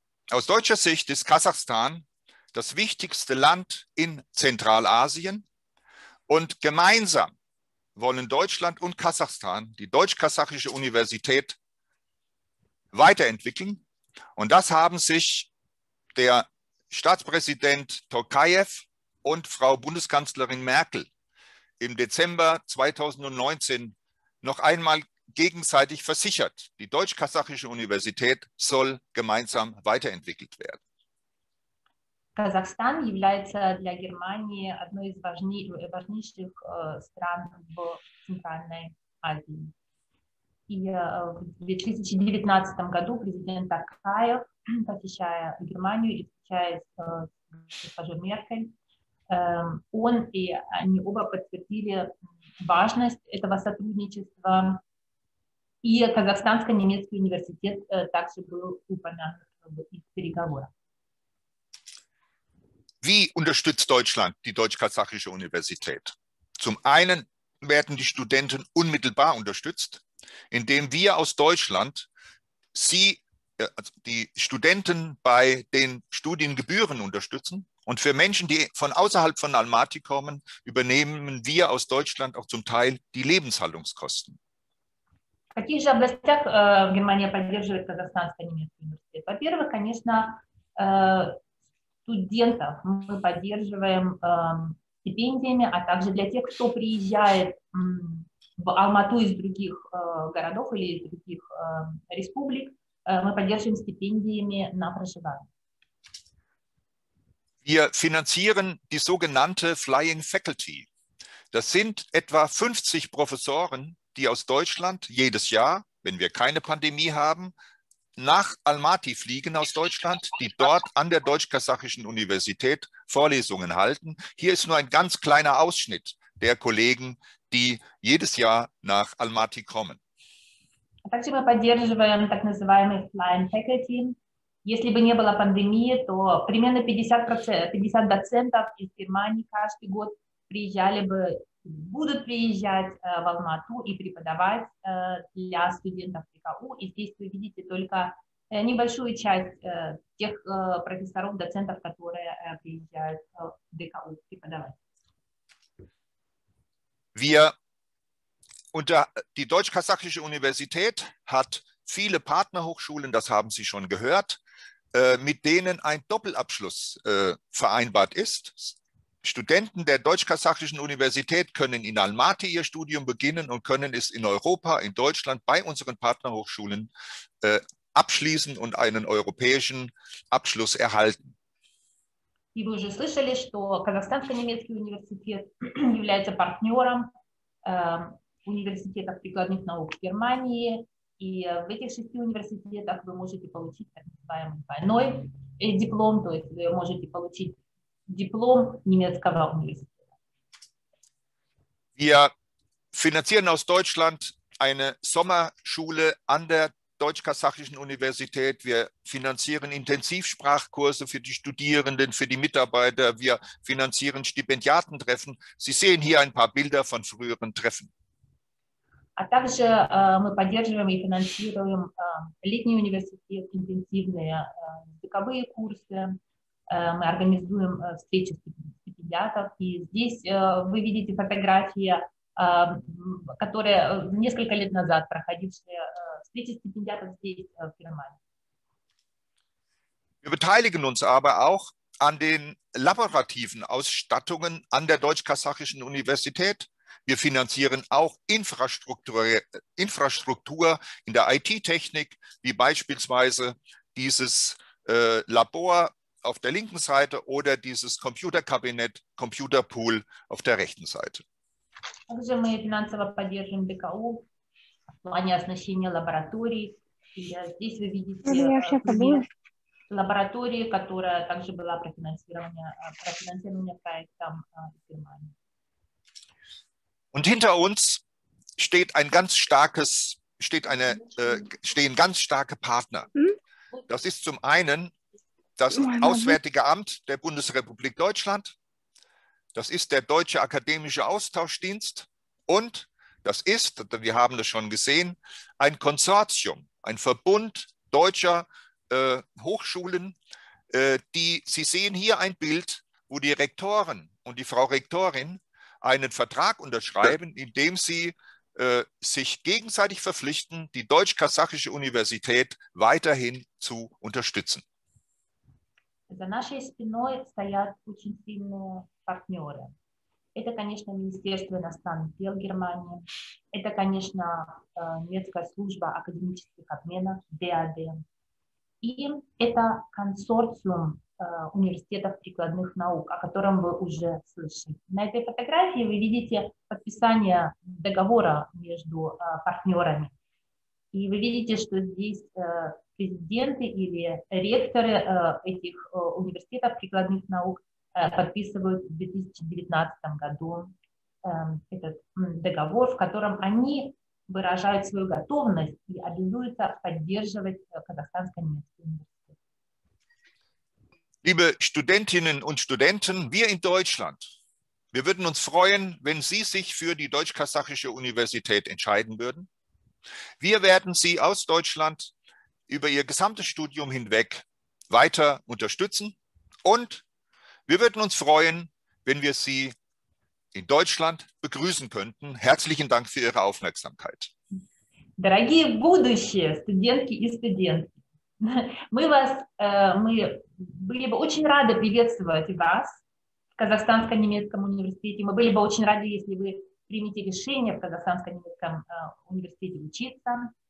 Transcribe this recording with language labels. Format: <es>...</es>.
<de>Aus deutscher Sicht ist Kasachstan das wichtigste Land in Zentralasien und gemeinsam wollen Deutschland und Kasachstan die Deutsch-Kasachische Universität weiterentwickeln und das haben sich der Staatspräsident Tokayev und Frau Bundeskanzlerin Merkel im Dezember 2019 noch einmal gegenseitig versichert. Die Deutsch-Kasachische Universität soll gemeinsam weiterentwickelt werden.</de> <ru>Kasachstan является для Германии одной из важнейших стран в Центральной Азии. И в 2019 году президент Токаев, посещая Германию и встречаясь с госпожой Меркель, он и они оба подтвердили важность этого сотрудничества. И Казахстанско-немецкий университет также был упомянут в их переговорах.</ru> <de>Wie unterstützt Deutschland die Deutsch-Kasachische Universität? Zum einen werden die Studenten unmittelbar unterstützt, indem wir aus Deutschland sie, also die Studenten bei den Studiengebühren unterstützen. Und für Menschen, die von außerhalb von Almaty kommen, übernehmen wir aus Deutschland auch zum Teil die Lebenshaltungskosten.</de> <ru>Каких же областях Германия поддерживает Казахстанский немецкий университет? Во-первых, конечно, студентов мы поддерживаем стипендиями, а также для тех, кто приезжает в Алмату из других городов или из других республик, мы поддерживаем стипендиями на проживание.</ru> <de>Wir finanzieren die sogenannte Flying Faculty. Das sind etwa 50 Professoren, die aus Deutschland jedes Jahr, wenn wir keine Pandemie haben, nach Almaty fliegen aus Deutschland, die dort an der Deutsch-Kasachischen Universität Vorlesungen halten. Hier ist nur ein ganz kleiner Ausschnitt der Kollegen, die jedes Jahr nach Almaty kommen.</de> <ru>Также мы поддерживаем так называемый Flying Faculty. Если бы не было пандемии, то примерно 50 доцентов из Германии каждый год приезжали бы, будут приезжать в Алмату и преподавать для студентов ТКУ. И здесь вы видите только небольшую часть тех профессоров, доцентов, которые приезжают в ТКУ преподавать.</ru> <de>Die Deutsch-Kasachische Universität hat viele Partnerhochschulen, das haben Sie schon gehört, mit denen ein Doppelabschluss vereinbart ist. Studenten der Deutsch-Kasachischen Universität können in Almaty ihr Studium beginnen und können es in Europa, in Deutschland, bei unseren Partnerhochschulen abschließen und einen europäischen Abschluss erhalten. Sie haben schon gehört, dass die</de> <ru>Казахстанско-немецкая</ru> <de>Universität</de> <ru>является партнером университетов прикладных наук в Германии. И в этих шести университетах вы можете получить так называемый двойной диплом, то есть вы можете получить диплом немецкого университета.</ru> <de>Wir finanzieren aus Deutschland eine Sommerschule an der Deutsch-Kasachischen Universität. Wir finanzieren Intensivsprachkurse für die Studierenden, für die Mitarbeiter. Wir finanzieren Stipendiatentreffen. Sie sehen hier ein paar Bilder von früheren Treffen.</de> <ru>А также мы поддерживаем и финансируем летний университет, интенсивные языковые курсы. Мы организуем встречи стипендиатов. И здесь вы видите фотографии, которые несколько лет назад проходившие встречи стипендиатов здесь, в Германии.</ru> <de>Wir beteiligen uns aber auch an den laborativen Ausstattungen an der Deutsch-Kasachischen Universität. Wir finanzieren auch Infrastruktur in der IT-Technik, wie beispielsweise dieses Labor auf der linken Seite oder dieses Computerkabinett, Computerpool auf der rechten Seite.</de> <ru>Также мы финансово поддерживаем ДКУ в плане оснащения лабораторий. Здесь вы видите лабораторию, которая также была профинансирована проектом в Германии.</ru> <de>Und hinter uns steht ein ganz starkes, stehen ganz starke Partner. Das ist zum einen das Auswärtige Amt der Bundesrepublik Deutschland, das ist der Deutsche Akademische Austauschdienst und das ist, wir haben das schon gesehen, ein Konsortium, ein Verbund deutscher Hochschulen, die, Sie sehen hier ein Bild, wo die Rektoren und die Frau Rektorin einen Vertrag unterschreiben, in dem sie sich gegenseitig verpflichten, die Deutsch-Kasachische Universität weiterhin zu unterstützen.</de> <ru>За нашей спиной стоят очень сильные партнеры. Это, конечно, Министерство иностранных дел Германии. Это, конечно, немецкая служба академических обменов, ДАД. И это консорциум университетов прикладных наук, о котором вы уже слышали. На этой фотографии вы видите подписание договора между партнерами. И вы видите, что здесь президенты или ректоры этих университетов прикладных наук подписывают в 2019 году этот договор, в котором они выражают свою готовность и обязуются поддерживать казахстанско-немецкий университет.</ru> <de>Liebe Studentinnen und Studenten, wir in Deutschland, wir würden uns freuen, wenn Sie sich für die Deutsch-Kasachische Universität entscheiden würden. Wir werden Sie aus Deutschland über Ihr gesamtes Studium hinweg weiter unterstützen und wir würden uns freuen, wenn wir Sie in Deutschland begrüßen könnten. Herzlichen Dank für Ihre Aufmerksamkeit.</de> <ru>Дорогие будущие студентки и студенты, мы были бы очень рады приветствовать вас в Казахстанско-немецком университете. Мы были бы очень рады, если вы примете решение в Казахстанско-немецком университете учиться.</ru>